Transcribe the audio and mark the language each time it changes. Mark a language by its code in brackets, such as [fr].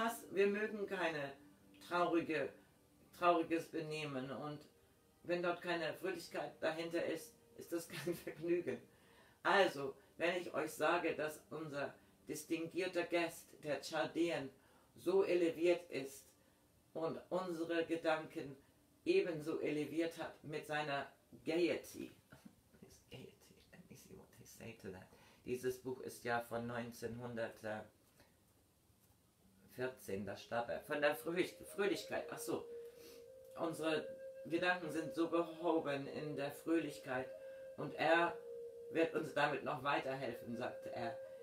[de] Wir mögen keine trauriges Benehmen und wenn dort keine Fröhlichkeit dahinter ist, ist das kein Vergnügen. Also, wenn ich euch sage, dass unser distinguierter Gast, der Chaldean, so eleviert ist und unsere Gedanken ebenso eleviert hat mit seiner Gaiety. [en] Gaiety, let me see what they say to that. [de] Dieses Buch ist ja von 1914, da starb er. Von der Fröhlichkeit, ach so. Unsere Gedanken sind so gehoben in der Fröhlichkeit und er wird uns damit noch weiterhelfen, sagte er.